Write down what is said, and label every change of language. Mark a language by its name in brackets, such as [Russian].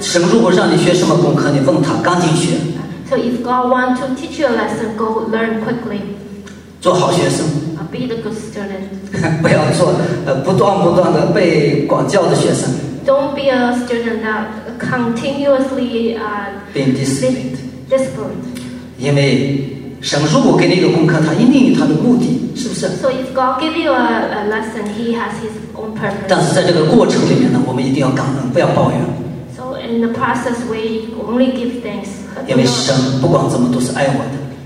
[Chinese] 神如果让你学什么功课，你问他，赶紧学。 [English] So if God wants to teach you a lesson, go learn quickly. [Chinese] 做好学生。 [English] Be the good student. [Chinese] 不要做不断不断的被管教的学生。 [English] Don't be a student that continuously being disciplined. Disciplined. [Chinese] 因为神如果给你一个功课，他一定有他的目的，是不是？ [English] So if God gives you a lesson, He has His own purpose. [Chinese] 但是在这个过程里面呢，我们一定要感恩，不要抱怨。 [English] In the process, we only give thanks. [Chinese] 因为神不管怎么都是爱我的。